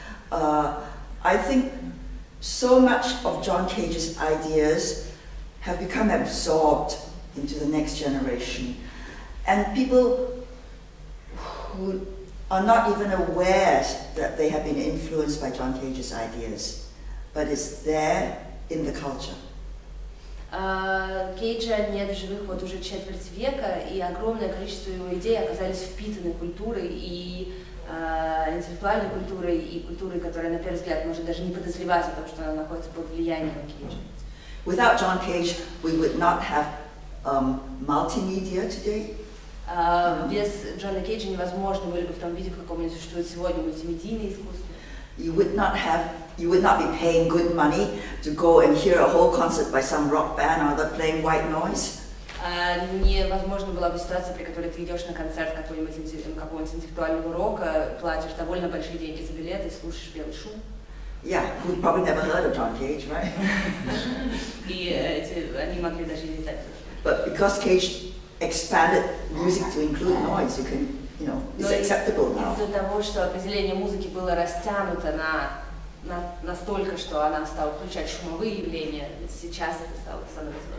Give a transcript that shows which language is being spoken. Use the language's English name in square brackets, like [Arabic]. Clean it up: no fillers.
[English] I think so much of John Cage's ideas have become absorbed into the next generation, and people who are not even aware that they have been influenced by John Cage's ideas, but it's there in the culture. [Russian] Кейджа нет в живых вот уже четверть века, и огромное количество его идей оказались впитаны культурой и интеллектуальной культурой, и культурой, которая на первый взгляд может даже не подозревать о том, что она находится под влиянием Кейджа. [English] Without John Cage, we would not have multimedia today. [Russian] Без Джона Кейджа невозможно было бы в том виде, в каком он существует сегодня, мультимедийное искусство. [English] You would not be paying good money to go and hear a whole concert by some rock band or other playing white noise. [Russian] Невозможно была бы ситуация, при которой ты идешь на концерт какого-нибудь интеллектуального рока, платишь довольно большие деньги за билет и слушаешь белый шум. [English] Yeah, who probably never heard of John Cage, right? [Russian] И они могли даже не знать. [English] But because Cage expanded music to include noise, you can, you know, it's acceptable now. [Russian] Из-за того, что определение музыки было растянуто настолько, что она стала включать шумовые явления, сейчас это стало становиться.